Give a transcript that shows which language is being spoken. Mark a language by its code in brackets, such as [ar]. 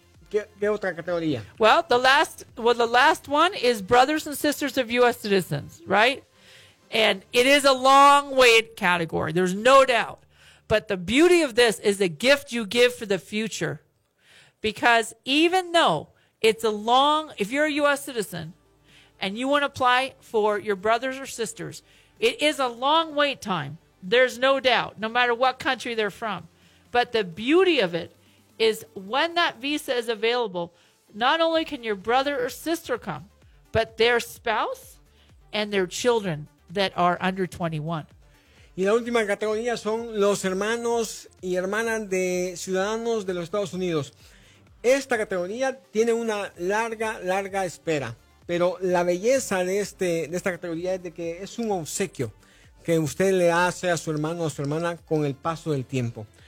[es] ¿Qué otra categoría? [en] Well, the last one is brothers and sisters of U.S. citizens, right? And it is a long wait category. There's no doubt. But the beauty of this is a gift you give for the future. Because even though it's a long, if you're a U.S. citizen and you want to apply for your brothers or sisters, it is a long wait time. There's no doubt, no matter what country they're from. But the beauty of it is when that visa is available, not only can your brother or sister come, but their spouse and their children that are under 21. [es] Y la última categoría son los hermanos y hermanas de ciudadanos de los Estados Unidos. Esta categoría tiene una larga, larga espera, pero la belleza de esta categoría es de que es un obsequio que usted le hace a su hermano o su hermana con el paso del tiempo.